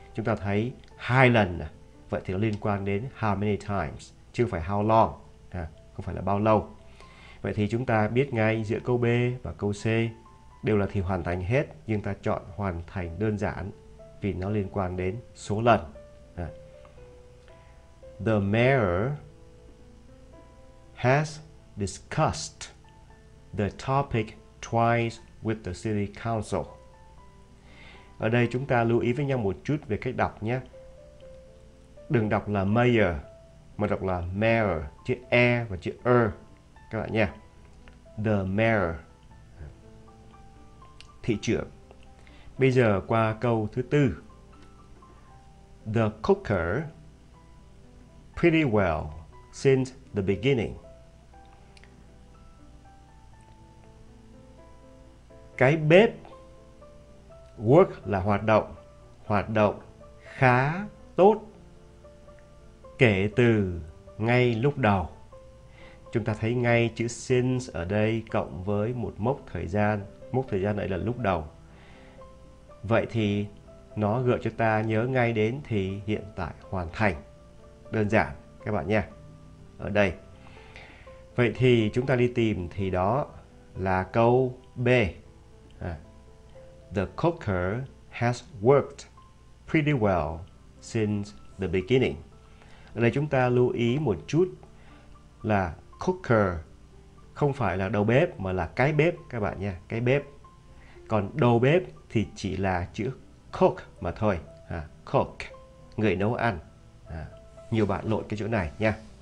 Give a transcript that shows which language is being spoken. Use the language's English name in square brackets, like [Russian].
[Vietnamese] Chúng ta thấy hai lần, vậy thì nó liên quan đến [English] how many times, [Vietnamese] chứ không phải [English] how long, [Vietnamese] không phải là bao lâu. Vậy thì chúng ta biết ngay giữa câu B và câu C đều là thì hoàn thành hết, nhưng ta chọn hoàn thành đơn giản vì nó liên quan đến số lần. [English] The mayor has discussed the topic twice with the city council. [Vietnamese] Ở đây chúng ta lưu ý với nhau một chút về cách đọc nhé. Đừng đọc là mayor, mà đọc là mayor, chữ e và chữ r các bạn nha. [English] The mayor, [Vietnamese] thị trưởng. Bây giờ qua câu thứ tư. [English] The cooker pretty well since the beginning. [Vietnamese] Cái bếp, work là hoạt động khá tốt kể từ ngay lúc đầu. Chúng ta thấy ngay chữ since ở đây cộng với một mốc thời gian ấy là lúc đầu. Vậy thì nó gợi cho ta nhớ ngay đến thì hiện tại hoàn thành. Đơn giản các bạn nha. Ở đây. Vậy thì chúng ta đi tìm thì đó là câu B. [English] The cooker has worked pretty well since the beginning. [Vietnamese] Ở đây chúng ta lưu ý một chút là cooker không phải là đầu bếp mà là cái bếp các bạn nha, cái bếp. Còn đầu bếp thì chỉ là chữ cook mà thôi. Cook, người nấu ăn. Nhiều bạn lộn cái chỗ này nha.